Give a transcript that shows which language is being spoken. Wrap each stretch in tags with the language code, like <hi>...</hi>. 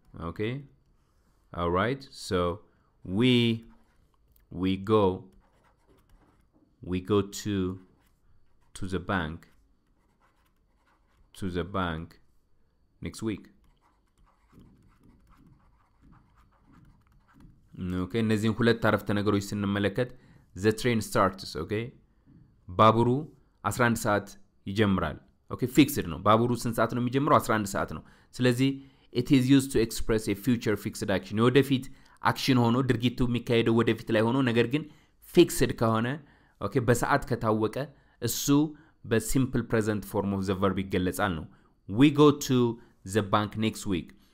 <en>okay all right so we go to the bank next week.</en> <am>Okay, እነዚህን ሁለት አረፍተ ነገሮች ስንመለከት</am> <en>the train starts, okay?</en> <am>ባቡሩ 11 ሰዓት ይጀምራል. Okay, fixed ነው. ባቡሩ ስንት ሰዓት ነው የሚጀምረው? 11 ሰዓት ነው. ስለዚህ</am> <en>it is used to express a future fixed action.</en> <am>ወደፊት action ሆኖ ድርጊቱ የሚካሄደው ወደፊት ላይ ሆኖ ነገር ግን fixed ከሆነ okay, በሰዓት ከታወቀ እሱ በsimple present form of the verb ይገለጻል ነው.</am> <en>We go to the bank next week.</en>